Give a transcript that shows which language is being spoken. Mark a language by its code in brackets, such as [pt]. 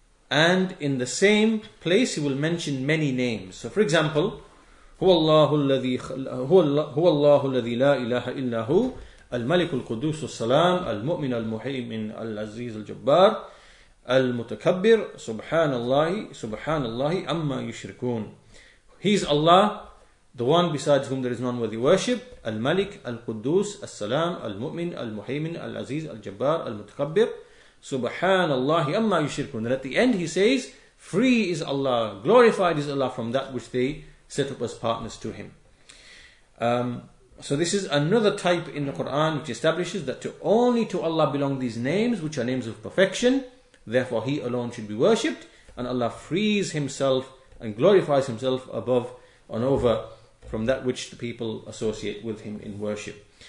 [en] And in the same place he will mention many names. So for example, [ar] هُوَ اللَّهُ الَّذِي لَا إِلَهَ إِلَّا هُوَ الملك القدوس السلام المؤمن المهيمن العزيز الجبار المتكبر سبحان الله عما يشركون. [en] He is Allah, the one besides whom there is none worthy worship. [ar] الملك القدوس السلام المؤمن المهيمن العزيز الجبار المتكبر سبحان الله عما يشركون. [en] And at the end he says, free is Allah, glorified is Allah from that which they set up as partners to him. So this is another type in the Quran which establishes that to only to Allah belong these names, which are names of perfection. Therefore, He alone should be worshipped, and Allah frees Himself and glorifies Himself above and over from that which the people associate with Him in worship.